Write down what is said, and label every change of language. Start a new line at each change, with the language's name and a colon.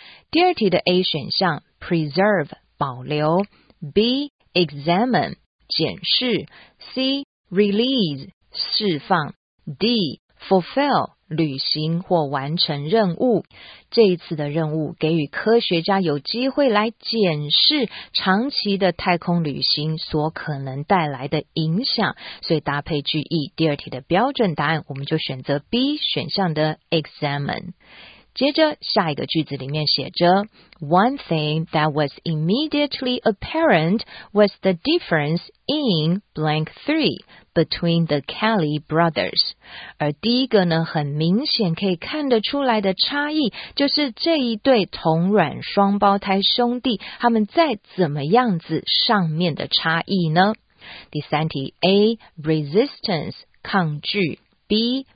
Chinese: 第二题的 A 选项preserve 保留 ,B, examine 检视 ,C, release 释放 ,D, fulfill 履行或完成任务。这一次的任务给予科学家有机会来检视长期的太空旅行所可能带来的影响，所以搭配句意第二题的标准答案我们就选择 B 选项的 examine。接着下一个句子里面写着
English: One thing that was immediately apparent was the difference in blank three between the Kelly brothers.
Chinese: 而第一个呢，很明显可以看得出来的差异，就是这一对同卵双胞胎兄弟，他们在怎么样子上面的差异呢？第三题 A. Resistance 抗拒 B.